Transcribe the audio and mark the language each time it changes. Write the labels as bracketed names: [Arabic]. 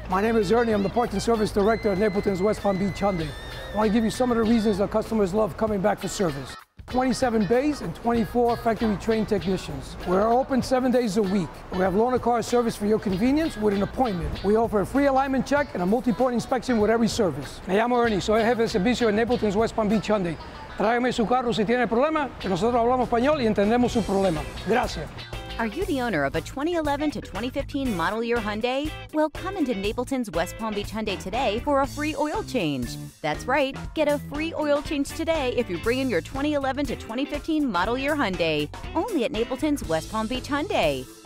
[English] My name is Ernie. I'm the parking service director at Napleton's West Palm Beach Hyundai. I want to give you some of the reasons that customers love coming back for service. 27 bays and 24 factory trained technicians. We're open 7 days a week. We have loaner car service for your convenience with an appointment. We offer a free alignment check and a multi-point inspection with every service. [Spanish] Me llamo Ernie, soy jefe de servicio en Napleton's West Palm Beach Hyundai. Tráigame su carro si tiene problema, que nosotros hablamos español y entendemos su problema. Gracias. [English] Are you the owner of a 2011 to 2015 model year Hyundai? Well, come into Napleton's West Palm Beach Hyundai today for a free oil change. That's right, get a free oil change today if you bring in your 2011 to 2015 model year Hyundai. Only at Napleton's West Palm Beach Hyundai.